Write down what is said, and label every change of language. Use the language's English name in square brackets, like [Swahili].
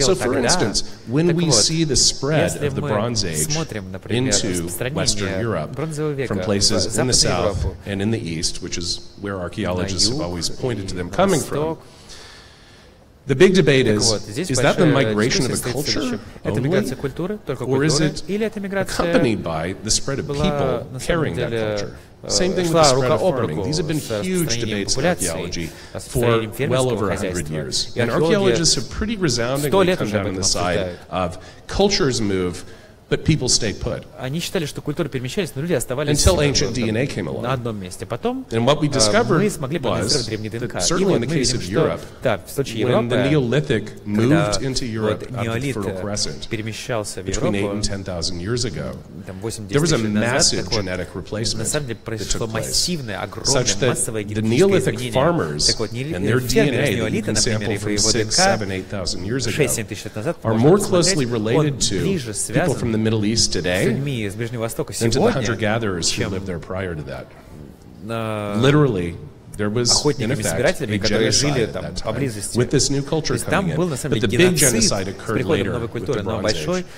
[English] So, for instance, when we see the spread of the Bronze Age into Western Europe from places in the south and in the east, which is where archaeologists have always pointed to them coming from, the big debate is that the migration of a culture only, or is it accompanied by the spread of people carrying that culture? Same thing with the spread of farming. These have been huge debates in archaeology for well over 100 years. And archaeologists have pretty resoundingly come down on the side of cultures move, but people stay put. [Russian] Они считали, что культуры перемещались, но люди оставались. [English] Until ancient DNA came along. [Russian] На одном месте. Потом, [English] and what we discovered was, certainly in the case of Europe, when the Neolithic moved into Europe out of the Fertile Crescent, between 8 and 10,000 years ago, there was a massive genetic replacement that took place. [Russian] На самом деле произошло массивное, огромное, [English] such that the Neolithic farmers and their DNA, that you can sample from 6, 7, 8,000 years ago, are more closely related to people from the Middle East today than to the hunter-gatherers who lived there prior to that. Literally, there was, in effect, a genocide at that time with this new culture coming in. But the big genocide occurred later with the Bronze Age.